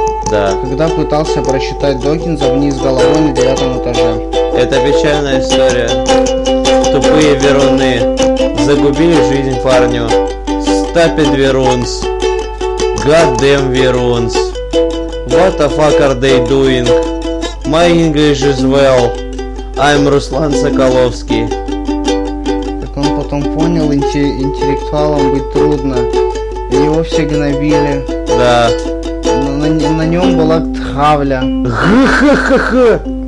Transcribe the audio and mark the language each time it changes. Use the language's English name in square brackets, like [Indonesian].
[Russian] Да. Когда пытался прочитать Докинза вниз головой на девятом этаже. Это печальная история. Тупые веруны загубили жизнь парню. [English] Stupid верунс. Goddamn верунс. What the fuck are they doing? My English is well. I'm Руслан Соколовский. [Russian] Так он потом понял, интеллектуалам быть трудно. И его все гнобили. Да. На нем была травля. Ха-ха-ха-ха!